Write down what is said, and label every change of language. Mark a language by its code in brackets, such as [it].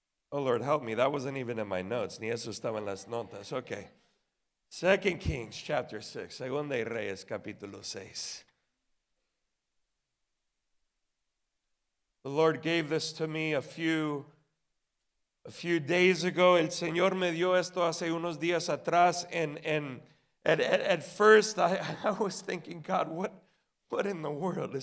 [en] Oh Lord, help me, that wasn't even in my notes, [es] ni eso estaba en las notas. [en] Okay. 2 Kings chapter 6, [es] Segunda de Reyes capítulo 6. [en] The Lord gave this to me a few days ago. [es] El Señor me dio esto hace unos días atrás. [en] And at first I was thinking, God, what in the world?